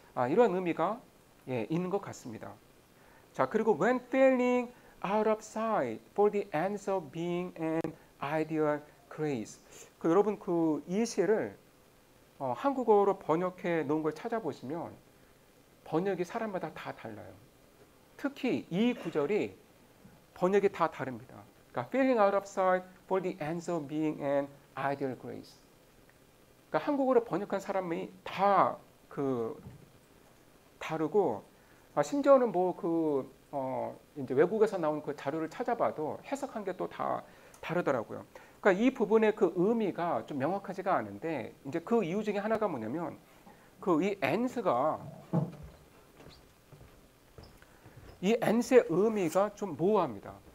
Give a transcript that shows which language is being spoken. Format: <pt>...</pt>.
<ko>이러한 의미가 예, 있는 것 같습니다.</ko> <en>자, 그리고 when feeling out of sight for the ends of being and ideal grace.</en> <ko>여러분 그이 시를 한국어로 번역해 놓은 걸 찾아보시면 번역이 사람마다 다 달라요. 특히 이 구절이 번역이 다 다릅니다.</ko> <en>그러니까 feeling out of sight for the ends of being and ideal grace.</en> <ko>그러니까 한국어로 번역한 사람이 다그 다르고, 심지어는 뭐그어 이제 외국에서 나온 그 자료를 찾아봐도 해석한 게또다 다르더라고요. 그러니까 이 부분의 그 의미가 좀 명확하지가 않은데, 이제 그 이유 중에 하나가 뭐냐면 그이 ends가 이 ends의 의미가 좀 모호합니다.</ko>